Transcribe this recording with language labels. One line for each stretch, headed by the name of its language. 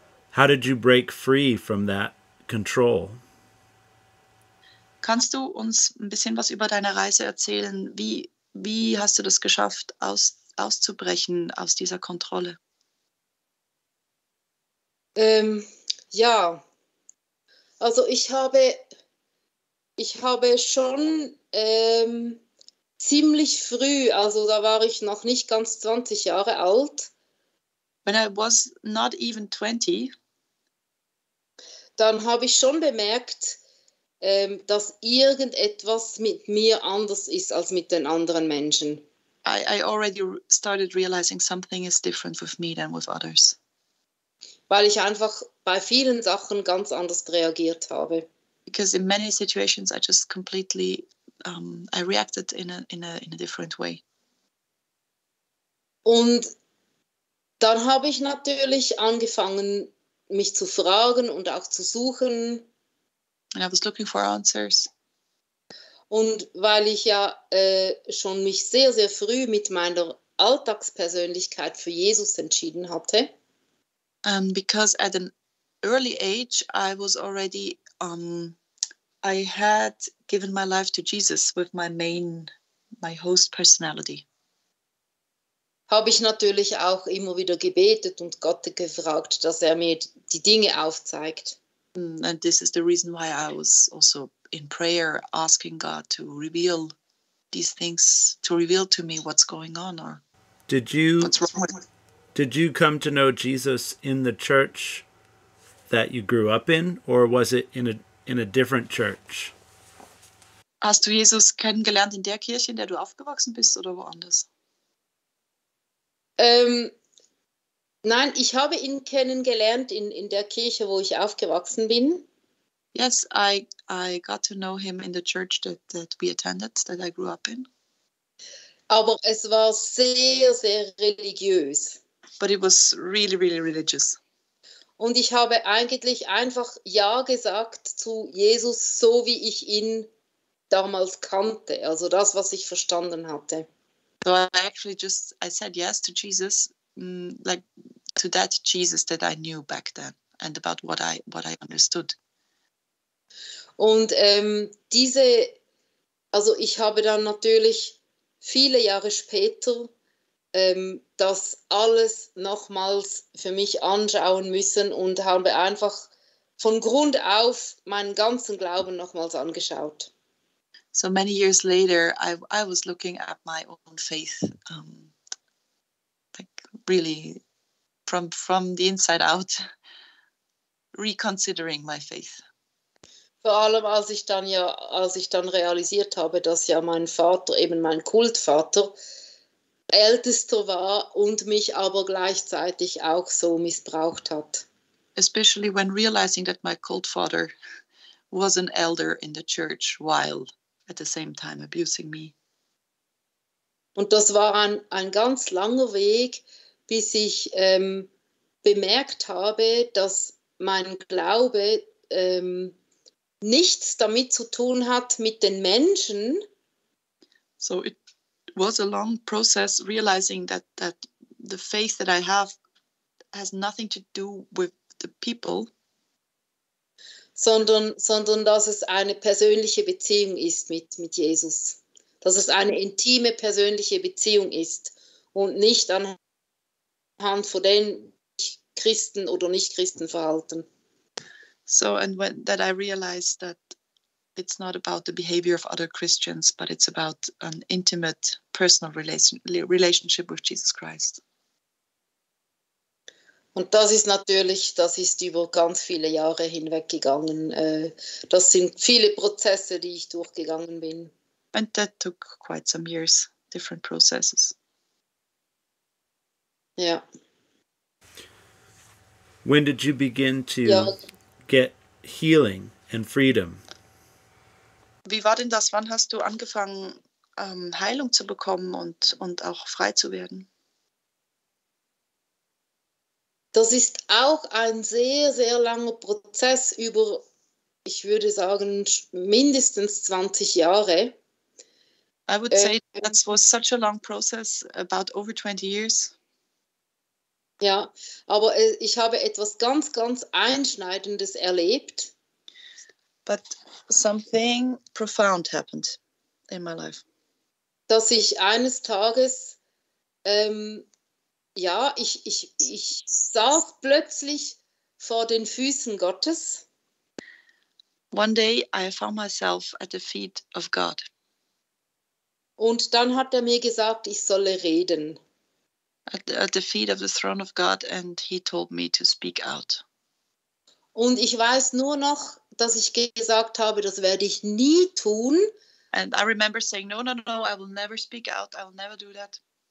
English: How did you break free from that control?
German: Kannst du uns ein bisschen was über deine Reise erzählen? Wie hast du das geschafft, auszubrechen aus dieser Kontrolle? Also ich habe schon ziemlich früh, also da war ich noch nicht ganz 20 Jahre alt.
English: When I was not even 20.
German: Dann habe ich schon bemerkt, dass irgendetwas mit mir anders ist als mit den anderen Menschen.
English: I already started realizing something is different with me than with others.
German: Weil ich einfach bei vielen Sachen ganz anders reagiert habe.
English: Because in many situations I just completely I reacted in a different way.
German: Und dann habe ich natürlich angefangen, mich zu fragen und auch zu suchen.
English: And I was looking for answers.
German: Und weil ich ja schon mich sehr, sehr früh mit meiner Alltagspersönlichkeit für Jesus entschieden hatte.
English: Because at an early age I was already I had given my life to Jesus with my host personality.
German: Habe ich natürlich auch immer wieder gebetet und Gott gefragt, dass er mir die Dinge aufzeigt.
English: And this is the reason why I was also in prayer asking God to reveal these things, to reveal to me what's going on or what's wrong with me. Did you come to know Jesus in the church that you grew up in, or was it in a different church?
German: Hast du Jesus kennengelernt in der Kirche, in der du aufgewachsen bist, oder woanders? Nein, ich habe ihn kennengelernt in der Kirche, wo ich aufgewachsen bin.
English: Yes, I got to know him in the church that we attended, that I grew up in.
German: Aber es war sehr, sehr religiös.
English: But it was really, really religious.
German: Und ich habe eigentlich einfach Ja gesagt zu Jesus, so wie ich ihn damals kannte, also das, was ich verstanden hatte.
English: So I said yes to Jesus, like to that Jesus that I knew back then and about what I understood.
German: Und also ich habe dann natürlich viele Jahre später das alles nochmals für mich anschauen müssen und habe einfach von Grund auf meinen ganzen Glauben nochmals angeschaut.
English: So many years later, I was looking at my own faith, like really from the inside out, reconsidering my faith.
German: Vor allem, als ich dann realisiert habe, dass ja mein Vater, eben mein Kultvater, Ältester war und mich aber gleichzeitig auch so missbraucht hat.
English: Especially when realizing that my cult father was an elder in the church while at the same time abusing me.
German: Und das war ein ganz langer Weg, bis ich bemerkt habe, dass mein Glaube nichts damit zu tun hat mit den Menschen.
English: So it was a long process realizing that that the faith that I have has nothing to do with the people.
German: Sondern dass es eine persönliche Beziehung ist mit Jesus. Dass es eine intime persönliche Beziehung ist und nicht anhand von den Christen oder Nicht-Christen verhalten.
English: So, and when that I realized that it's not about the behavior of other Christians, but it's about an intimate personal relationship with Jesus Christ.
German: Und das ist natürlich, das ist über ganz viele Jahre hinweg gegangen. Das sind viele Prozesse, die ich durchgegangen bin.
English: And that took quite some years, different processes.
German: Ja.
English: When did you begin to get healing and freedom?
German: Wie war denn das? Wann hast du angefangen, Heilung zu bekommen und auch frei zu werden? Das ist auch ein sehr, sehr langer Prozess über, ich würde sagen, mindestens 20 Jahre.
English: I would say that was such a long process, about over 20 years.
German: Ja, aber ich habe etwas ganz, ganz Einschneidendes erlebt.
English: But something profound happened in my life.
German: Dass ich eines Tages... ja, ich saß plötzlich vor den Füßen Gottes.
English: One day I found myself at the feet of God.
German: Und dann hat er mir gesagt, ich solle reden.
English: At the feet of the throne of God and he told me to speak out.
German: Und ich weiß nur noch, dass ich gesagt habe, das werde ich nie tun.
English: And I remember saying, no, I will never speak out, I will never do that.